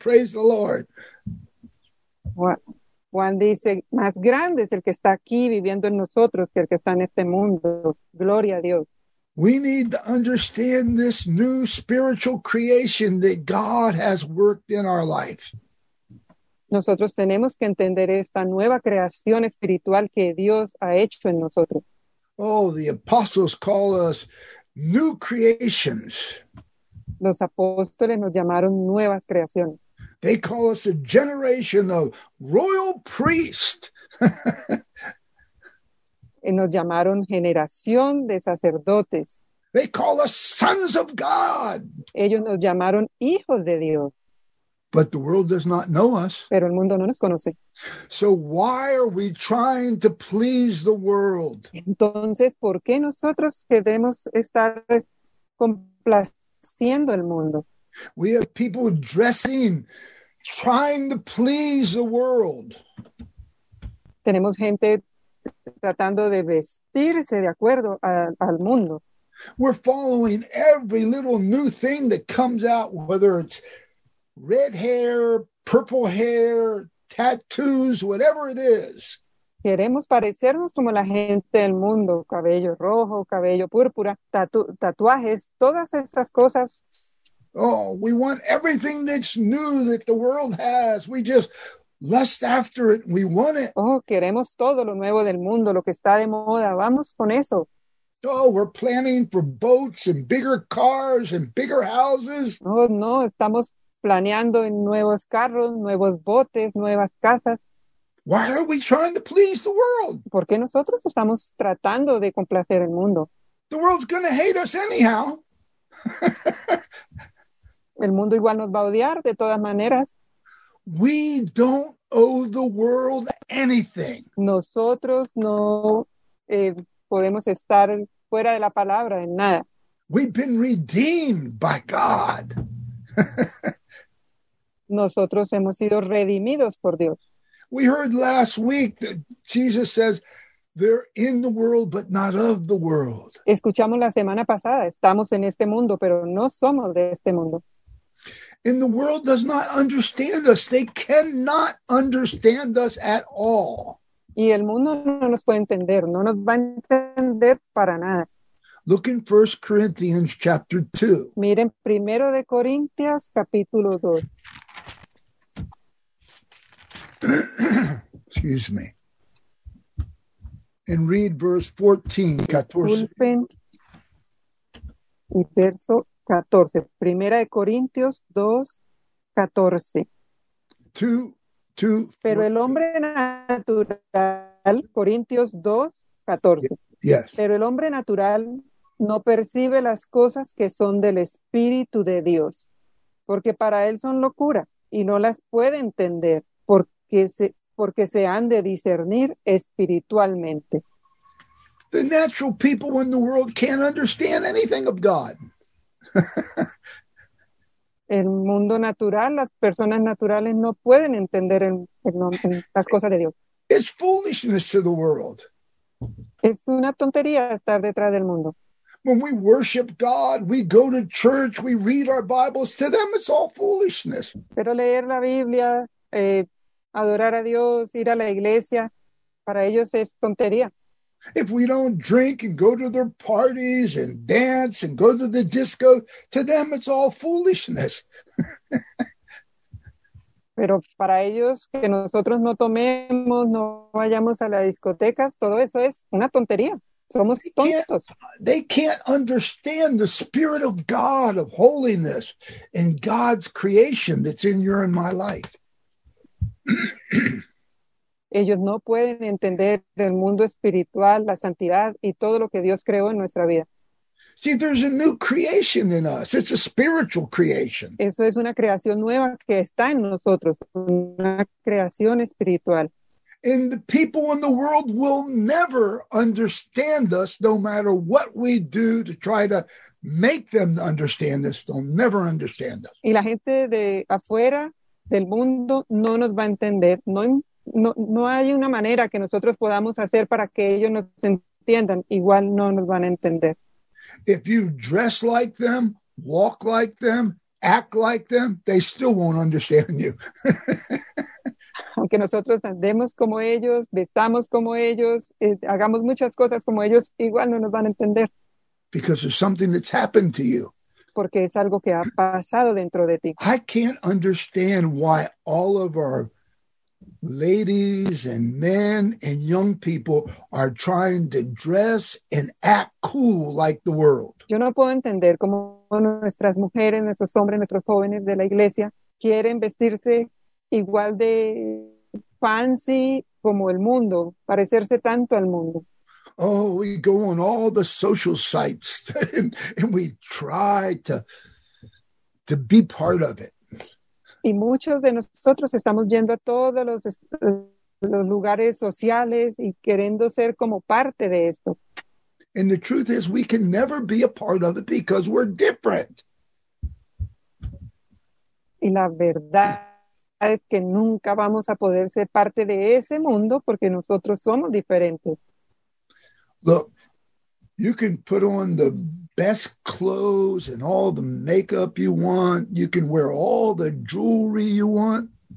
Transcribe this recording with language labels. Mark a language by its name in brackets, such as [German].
[English] Praise the Lord. [Spanish] Juan dice, más grande es el que está aquí viviendo en nosotros que el que está en este mundo. Gloria a Dios. [English] We need to understand this new spiritual creation that God has worked in our life. [Spanish] Nosotros tenemos que entender esta nueva creación espiritual que Dios ha hecho en nosotros. [English] Oh, the apostles call us new creations. [Spanish] Los apóstoles nos llamaron nuevas creaciones. [English] They call us a generation of royal priests. [Spanish] Nos llamaron generación de sacerdotes. [English] They call us sons of God. [Spanish] Ellos nos llamaron hijos de Dios. [English] But the world does not know us. [Spanish] Pero el mundo no nos conoce. [English] So why are we trying to please the world? [Spanish] Entonces, ¿por qué nosotros queremos estar complaciendo el mundo? [English] We have people dressing, trying to please the world. [Spanish] Tenemos gente tratando de vestirse de acuerdo al mundo. [English] We're following every little new thing that comes out, whether it's red hair, purple hair, tattoos, whatever it is. [Spanish] Queremos parecernos como la gente del mundo, cabello rojo, cabello púrpura, tatuajes, todas esas cosas. [English] Oh, we want everything that's new that the world has. We just lust after it. We want it. [Spanish] Oh, queremos todo lo nuevo del mundo, lo que está de moda. Vamos con eso. [English] Oh, we're planning for boats and bigger cars and bigger houses. [Spanish] Oh, no, estamos planeando en nuevos carros, nuevos botes, nuevas casas. [English] Why are we trying to please the world? [Spanish] ¿Por qué nosotros estamos tratando de complacer el mundo? [English] The world's going to hate us anyhow. [Spanish] El mundo igual nos va a odiar de todas maneras. [English] We don't owe the world anything. [Spanish] Nosotros no podemos estar fuera de la palabra en nada. [English] We've been redeemed by God. [Spanish] Nosotros hemos sido redimidos por Dios. [English] We heard last week that Jesus says they're in the world but not of the world. [Spanish] Escuchamos la semana pasada, estamos en este mundo pero no somos de este mundo. [English] And the world does not understand us. They cannot understand us at all. [Spanish] Y el mundo no nos puede entender, no nos va a entender para nada. [English] Look in 1 Corinthians chapter 2. [Spanish] Miren primero de Corintios capítulo 2. [English] Excuse me. And read verse 14. [Spanish] Disculpen. Y verso 14. Primera de Corintios 2, 14. Pero el hombre natural, Corintios 2, 14. [English] Yes. [Spanish] Pero el hombre natural no percibe las cosas que son del Espíritu de Dios, porque para él son locura y no las puede entender. Porque se han de discernir espiritualmente. [English] The natural people in the world can't understand anything of God. [Spanish] El mundo natural, las personas naturales no pueden entender las cosas de Dios. [English] It's foolishness to the world. [Spanish] Es una tontería estar detrás del mundo. [English] When we worship God, we go to church, we read our Bibles, to them it's all foolishness. [Spanish] Pero leer la Biblia, adorar a Dios, ir a la iglesia, para ellos es tontería. [English] If we don't drink and go to their parties and dance and go to the disco, to them it's all foolishness. [Spanish] Pero para ellos, que nosotros no tomemos, no vayamos a las discotecas, todo eso es una tontería. Somos tontos. [English] They can't understand the Spirit of God, of holiness, and God's creation that's in your and my life. [Spanish] ellos no pueden entender el mundo espiritual, la santidad y todo lo que Dios creó en nuestra vida. [English] See, there's a new creation in us. It's a spiritual creation. [Spanish] Eso es una creación nueva que está en nosotros, una creación espiritual. [English] And the people in the world will never understand us, no matter what we do to try to make them understand us. They'll never understand us. [Spanish] Y la gente de afuera del mundo no nos va a entender. No hay una manera que nosotros podamos hacer para que ellos nos entiendan. Igual no nos van a entender. [English] If you dress like them, walk like them, act like them, they still won't understand you. [Spanish] Aunque nosotros andemos como ellos, vestamos como ellos, hagamos muchas cosas como ellos, igual no nos van a entender. [English] Because there's something that's happened to you. [Spanish] Porque es algo que ha pasado dentro de ti. [English] I can't understand why all of our ladies and men and young people are trying to dress and act cool like the world. [Spanish] Yo no puedo entender cómo nuestras mujeres, nuestros hombres, nuestros jóvenes de la iglesia quieren vestirse igual de fancy como el mundo, parecerse tanto al mundo. [English] Oh, we go on all the social sites and we try to be part of it. [Spanish] Y muchos de nosotros estamos yendo a todos los lugares sociales y queriendo ser como parte de esto. [English] And the truth is, we can never be a part of it because we're different. [Spanish] Y la verdad es que nunca vamos a poder ser parte de ese mundo porque nosotros somos diferentes. [English] Look, you can put on the best clothes and all the makeup you want. You can wear all the jewelry you want.